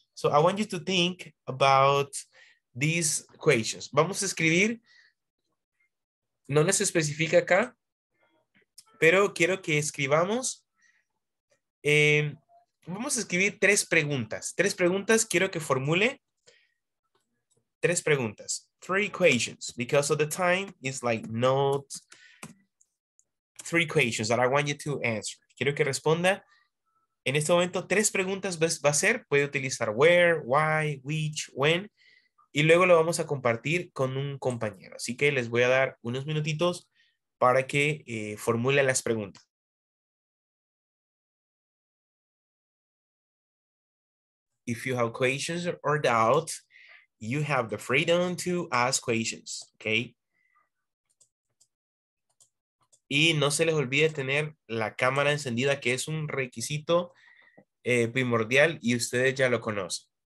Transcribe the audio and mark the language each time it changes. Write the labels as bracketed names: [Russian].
[English] So I want you to think about these questions. [Spanish] Vamos a escribir. No les especifica acá, pero quiero que escribamos. Vamos a escribir tres preguntas. Tres preguntas, quiero que formule. Tres preguntas. [English] Three questions. Because of the time, it's like not three questions that I want you to answer. [Spanish] Quiero que responda. En este momento, tres preguntas va a ser. Puede utilizar [English] where, why, which, when. [Spanish] Y luego lo vamos a compartir con un compañero. Así que les voy a dar unos minutitos para que formule las preguntas. [English] If you have questions or doubt, you have the freedom to ask questions, okay? [Spanish] Y no se les olvide tener la cámara encendida, que es un requisito primordial y ustedes ya lo conocen.